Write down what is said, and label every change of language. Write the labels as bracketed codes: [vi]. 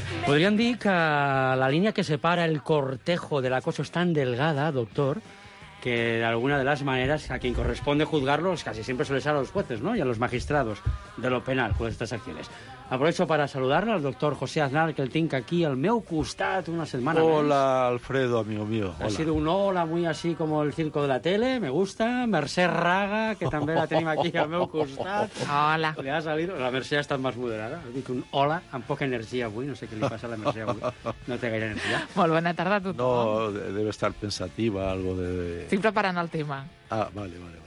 [ca] Podríem dir que la línia que separa el cortejo del acoso és tan delgada, doctor, [es] que de alguna de las maneras a quien corresponde juzgarlos casi siempre suele ser a los jueces, ¿no? Y a los magistrados de lo penal por estas acciones. Aprovecho para saludarle al doctor José Aznar, [ca] que el tinc aquí al meu costat una setmana més. [es] Hola, Alfredo, amigo mío. Ha sido un hola muy así como el circo de la tele, me gusta. [ca] Mercè Raga, que també la tenim aquí al meu costat. Hola. [es] Li ha salido. [ca] La Mercè ha estat més moderada. Ha dit un hola amb poca energia avui. No sé què li passa a la Mercè avui. No té gaire energia. Molt bona tarda a tothom. [es] No, debe estar pensativa, algo de... [ca] Estic preparant el tema. [es] Ah, vale, vale, vale.